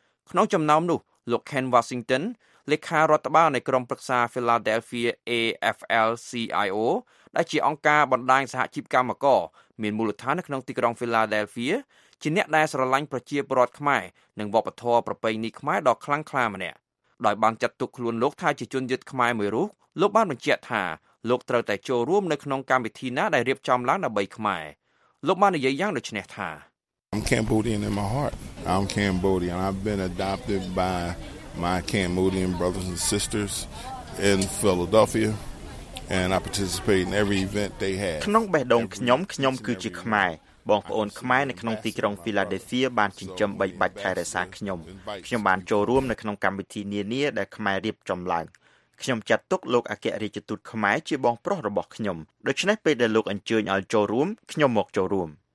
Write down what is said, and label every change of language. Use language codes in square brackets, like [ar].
[km] ក្នុងចំណោមនោះលោក Ken Washingtonលេខារដ្ឋបាលនៃក្រុមប្រឹក្សា Philadelphia AFL-CIO ដែលជាអង្គការបណ្ដាញសហជីពកម្មករមានមូលដ្ឋាននៅក្នុងទីក្រុង Philadelphia ជាអ្នកដែលស្រឡាញ់ប្រជាពលរដ្ឋខ្មែរនិងវប្បធម៌ប្រពៃណីខ្មែរដ៏ខ្លាំងក្លាម្នាក់ដោយបានចាត់ទុកខ្លួនលោកថាជាជនយុត្តខ្មែរមួយរូបលោកបានបញ្ជាក់ថាលោកត្រូវតែចូលរួមនៅក្នុងកម្មវិធីណាដែលរៀបចំឡើងដើម្បីខ្មែរលោកបាននិយាយយ៉ាងដូចនេះថា [en] I'm Cambodian in my heart I'm Cambodian I've been adopted by my Cambodian brothers and sisters in Philadelphia and I participate in every event they have [km] ក្នុងបេះដូងខ្ញុំគឺជាខ្មែរបងប្អូនខ្មែរនៅក្នុងទីក្រុង Philadelphia បានចិញ្ចឹមបីបាច់ថែរក្សាខ្ញុំបានចូលរួមនៅក្នុងកម្មវិធីនានាដែលខ្មែររៀបចំឡើងខ្ញុំចាត់ទុកលោកអគ្គរាជទូតខ្មែរជាបងប្រុសរបស់ខ្ញុំដូច្នេះពេលដែលលោកអញ្ជើញឲ្យចូលរួមខ្ញុំមកចូលរួម